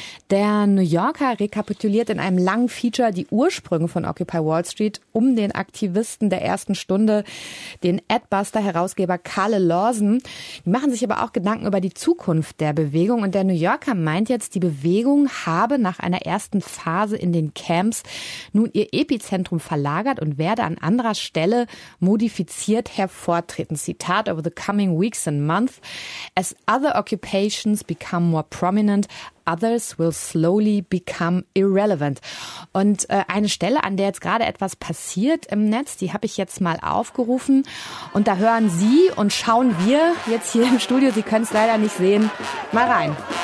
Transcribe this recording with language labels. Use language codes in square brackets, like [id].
[de] Der New Yorker rekapituliert in einem langen Feature die Ursprünge von Occupy Wall Street um den Aktivisten der ersten Stunde, den Adbuster-Herausgeber Kalle Lawson. Die machen sich aber auch Gedanken über die Zukunft der Bewegung. Und der New Yorker meint jetzt, die Bewegung habe nach einer ersten Phase in den Camps nun ihr Epizentrum verlagert und werde an anderer Stelle modifiziert hervortreten. [en] Zitat: Over the coming weeks and months, as other occupations become more prominent, others will slowly become irrelevant. [de] Und eine Stelle, an der jetzt gerade etwas passiert im Netz, die habe ich jetzt mal aufgerufen. Und da hören Sie und schauen wir jetzt hier im Studio, Sie können es leider nicht sehen, mal rein.